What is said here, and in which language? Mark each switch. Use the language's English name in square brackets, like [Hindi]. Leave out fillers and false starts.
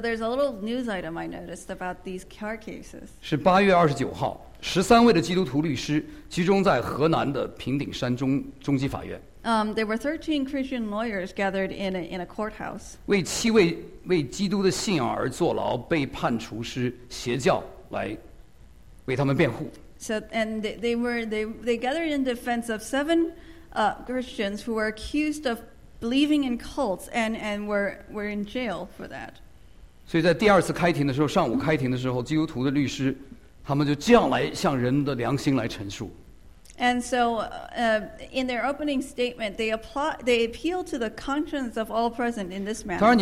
[English] there's a little news item I noticed about these car cases. [Chinese] 是8月29号。 13位的基督徒律师集中在河南的平顶山中级法院。There [English] were 13 Christian lawyers gathered in a courthouse. [Chinese] 为7位为基督的信仰而坐牢被判处施邪教来为他们辩护。So [English] and they gathered in defense of 7 Christians who were accused of believing in cults and were in jail for that. [Chinese] 所以在第二次开庭的时候，上午开庭的时候，基督徒的律师。他们就这样来向人的良心来陈述。And [English] so, in their opening statement, they appeal to the conscience of all present in this matter.